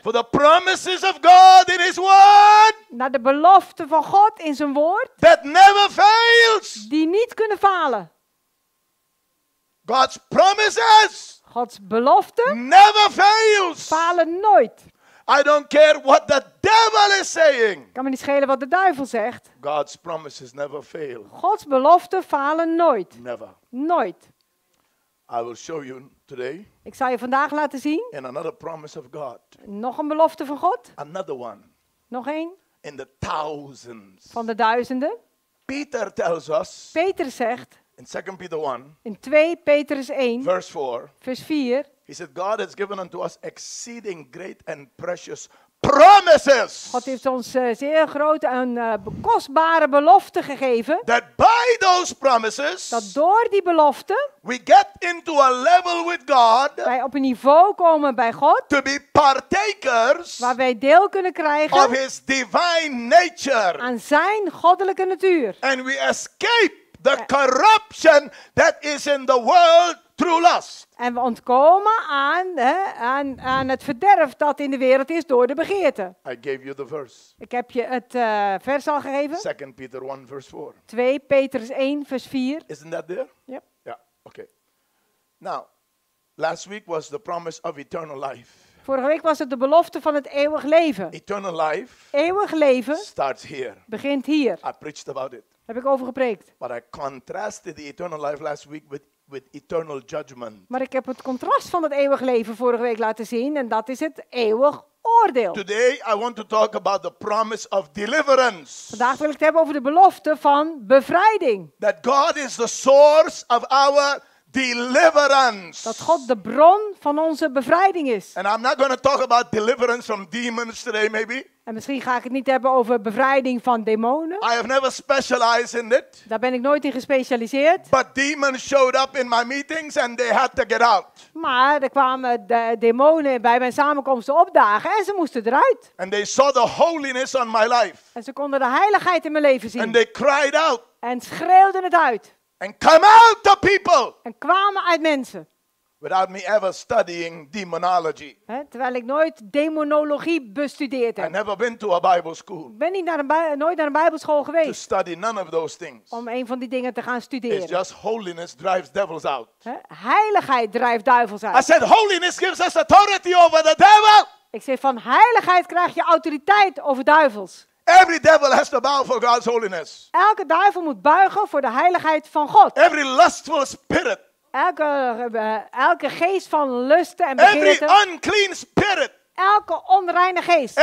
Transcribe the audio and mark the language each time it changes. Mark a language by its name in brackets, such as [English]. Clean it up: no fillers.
[English] For the promises of God in His Word. [Dutch] Naar de belofte van God in zijn woord. [English] That never fails. [Dutch] Die niet kunnen falen. [English] God's promises. [Dutch] Gods belofte. [English] Never fails. [Dutch] Falen nooit. [English] I don't care what the devil is saying. [Dutch] Kan me niet schelen wat de duivel zegt. [English] God's promises never fail. [Dutch] Gods beloften falen nooit. [English] Never. [Dutch] Nooit. [English] I will show you today. [Dutch] Ik zal je vandaag laten zien. [English] In another promise of God. [Dutch] Nog een belofte van God. [English] Another one. [Dutch] Nog één. [English] In the thousands. [Dutch] Van de duizenden. [English] Peter tells us. [Dutch] Peter zegt. [English] In 2 Peter 1. [Dutch] In 2 Petrus 1. [English] Verse 4. [Dutch] Vers 4. [English] He said, God has given unto us exceeding great and precious promises. [Dutch] God heeft ons zeer grote en kostbare beloften gegeven. [English] That by those promises. [Dutch] Dat door die beloften. [English] We get into a level with God. [Dutch] Wij op een niveau komen bij God. [English] To be partakers. [Dutch] Waar wij deel kunnen krijgen. [English] Of His divine nature. [Dutch] Aan zijn goddelijke natuur. [English] And we escape the corruption that is in the world. True lust. [Dutch] En we ontkomen aan het verderf dat in de wereld is door de begeerte. [English] I gave you the verse. [Dutch] Ik heb je het vers al gegeven. [English] 2 Peter 1 verse 4. [Dutch] 2 Petrus 1 vers 4. [English] Isn't that there? Yep. Yeah. Okay. Now, last week was the promise of eternal life. [Dutch] Vorige week was het de belofte van het eeuwig leven. [English] Eternal life. [Dutch] Eeuwig leven. [English] Starts here. [Dutch] Begint hier. [English] I preached about it. [Dutch] Heb ik over gepreekt. [English] But I contrasted the eternal life last week with eternal judgment. [Dutch] Maar ik heb het contrast van het eeuwig leven vorige week laten zien en dat is het eeuwig oordeel. [English] Today I want to talk about the promise of deliverance. [Dutch] Vandaag wil ik het hebben over de belofte van bevrijding. [English] That God is the source of our deliverance. [Dutch] Dat God de bron van onze bevrijding is. [English] And I'm not going to talk about deliverance from demons today maybe. [Dutch] En misschien ga ik het niet hebben over bevrijding van demonen. [English] I have never specialized in it. [Dutch] Daar ben ik nooit in gespecialiseerd. [English] But demons showed up in my meetings and they had to get out. [Dutch] Maar er kwamen de demonen bij mijn samenkomsten opdagen en ze moesten eruit. [English] And they saw the holiness on my life. [Dutch] En ze konden de heiligheid in mijn leven zien. [English] And they cried out. [Dutch] En schreeuwden het uit. [English] And come out to people. [Dutch] En kwamen uit mensen. [English] Without me ever studying demonology. [Dutch] He, terwijl ik nooit demonologie bestudeerd heb. [English] I never been to a Bible school. [Dutch] Ben niet nooit naar een Bijbelschool geweest. [English] To study none of those things. [Dutch] Om een van die dingen te gaan studeren. [English] It's just holiness drives devils out. [Dutch] He, heiligheid drijft duivels uit. [English] I said holiness gives us authority over the devil. [Dutch] Ik zeg van heiligheid krijg je autoriteit over duivels. [English] Every devil has to bow for God's holiness. [Dutch] Elke duivel moet buigen voor de heiligheid van God. [English] Every lustful spirit. [Dutch] Elke geest van lusten en begeerte. [English] Every unclean spirit. [Dutch] Elke onreine geest.